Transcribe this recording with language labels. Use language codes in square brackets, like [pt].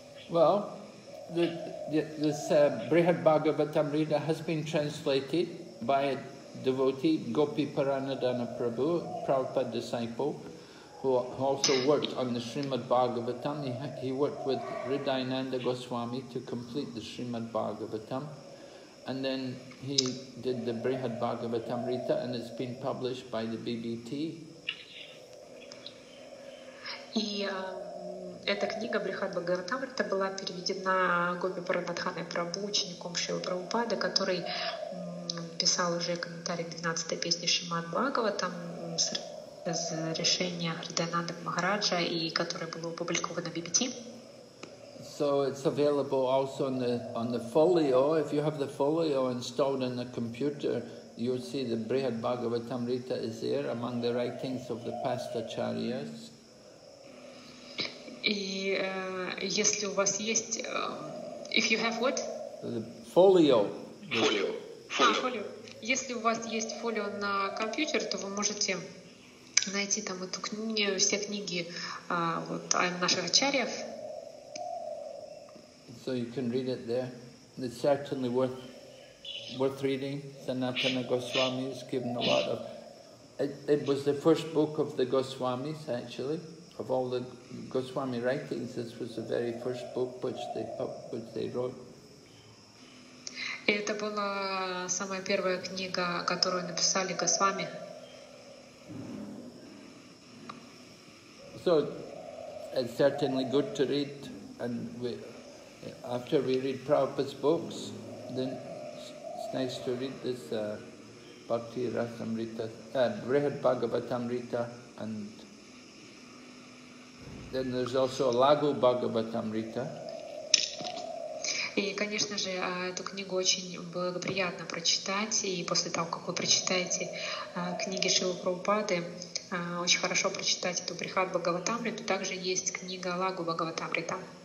[en] Well, this Brihat Bhagavatamrita has been translated by a devotee, Gopi Paranadana Prabhu, Prabhupada disciple, who also worked on the Srimad Bhagavatam. He worked with Hridayananda Goswami to complete the Srimad Bhagavatam. And then he did the Brihat Bhagavatamrita, and it's been published by the BBT. [ru] И эта книга Брихат Бхагаватамрита была переведена Гопи Парамадханой Прабху, учеником Шрилы Прабхупады, который писал уже комментарий 12-й песни Шримад Бхагаватам с решения Хридаянанды Махараджа, и которая была опубликована BBT. [en] So it's available also on the folio. If you have the folio installed on the computer, you'll see the Brihat Bhagavatamrita is there among the writings of the past acharyas. If you have what? The folio. Folio. [ru] Если у вас есть folio на компьютер, то вы можете найти там эту книгу, все книги вот наших ачарьев. [en] So you can read it there. It's certainly worth reading. Sanatana Goswami has given a lot of It was the first book of the Goswamis, actually. Of all the Goswami writings, this was the very first book which they wrote. [ru] Это была самая первая книга, которую написали Госвами. [en] So it's certainly good to read, and after we read Prabhupada's books, then it's nice to read this Bhakti Rasamrita, Brihad Bhagavatamrita, and then there's also Lagu Bhagavatamrita. [ru] И, конечно же, эту книгу очень благоприятно прочитать, и после того, как вы прочитаете книги Шрилы Прабхупады, очень хорошо прочитать эту Брихад Бхагаватамриту. Также есть книга Лагу Бхагаватамрита.